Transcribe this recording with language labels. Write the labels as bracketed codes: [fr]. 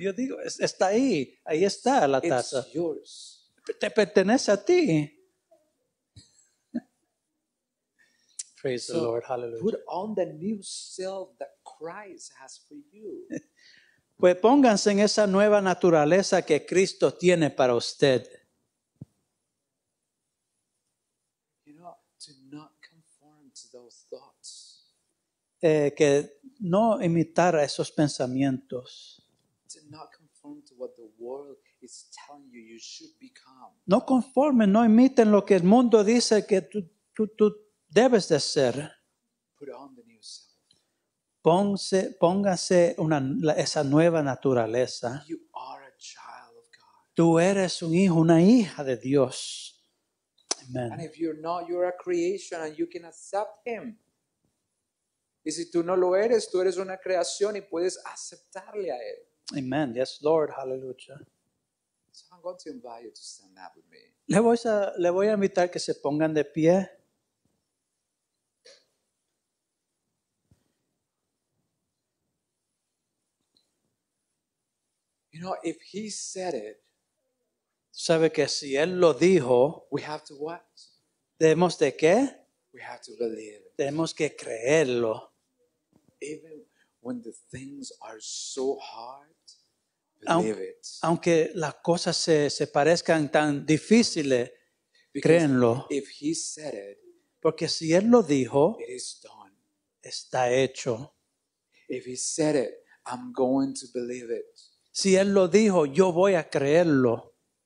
[es] Yo digo, está ahí. Ahí está la taza. [en] It's yours. [es] Te pertenece a ti. [en] Praise so the Lord. Hallelujah. Put on the new self that Christ has for you. [es] Pues pónganse en esa nueva naturaleza que Cristo tiene para usted. [en] You know, do not conform to those thoughts. [es] Que no imitar esos pensamientos. [en] Do not conform to what the world is telling you you should become. [es] No conformen, no imiten lo que el mundo dice que tú debes de ser. [en] Put on the new self. [es] Póngase esa nueva naturaleza. [en] You are a child of God. [es] Tú eres un hijo, una hija de Dios. [en] Amen. And if you're not, you're a creation and you can accept him. [es] Y si tú no lo eres, tú eres una creación y puedes aceptarle a él. [en] Amen. Yes, Lord. Hallelujah. So I'm going to invite you to stand up with me. [es] Le voy a invitar que se pongan de pie. [en] You know, if he said it, [es] sabe que si él lo dijo, [en] we have to what? [es] ¿Debemos de qué? [en] We have to believe. [es] Tenemos que creerlo. [en] Even when the things are so hard, believe it. [es] Aunque las cosas se parezcan tan difíciles, [en] because [es] créenlo. [en] If he said it, [es] porque si él lo dijo, [en] it is done. [es] Está hecho. [en] If he said it, I'm going to believe it. [es] Si él lo dijo, yo voy a creerlo.